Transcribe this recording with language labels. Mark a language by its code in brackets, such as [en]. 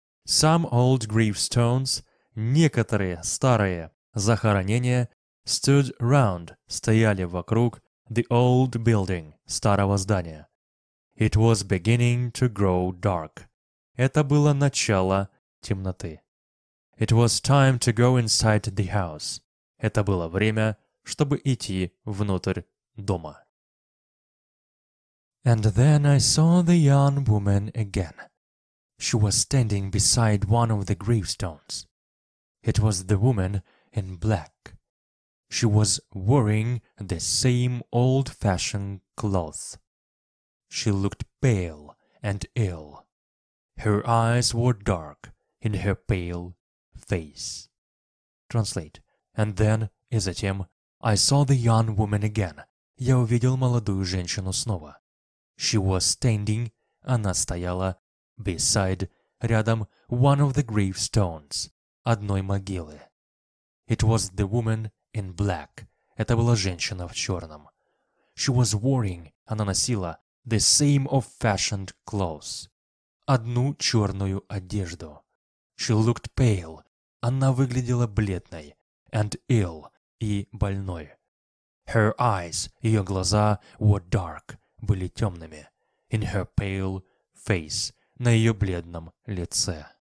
[en] Some old gravestones, [ru] некоторые старые захоронения, [en] stood round, [ru] стояли вокруг [en] the old building, [ru] старого здания. [en] It was beginning to grow dark. [ru] Это было начало темноты. [en] It was time to go inside the house. [ru] Это было время, чтобы идти внутрь дома. [en] And then I saw the young woman again. She was standing beside one of the gravestones. It was the woman in black. She was wearing the same old-fashioned clothes. She looked pale and ill. Her eyes were dark in her pale face. Translate. And then, [ru] и затем, [en] I saw the young woman again. [ru] Я увидел молодую женщину снова. [en] She was standing, [ru] она стояла, [en] beside, [ru] рядом, [en] one of the gravestones, [ru] одной могилы. [en] It was the woman in black, [ru] это была женщина в черном. [en] She was wearing, [ru] она носила, [en] the same old-fashioned clothes, [ru] одну черную одежду. [en] She looked pale, [ru] она выглядела бледной, [en] and ill, [ru] и больной. [en] Her eyes, [ru] ее глаза, [en] were dark, [ru] были темными, [en] in her pale face, [ru] на ее бледном лице.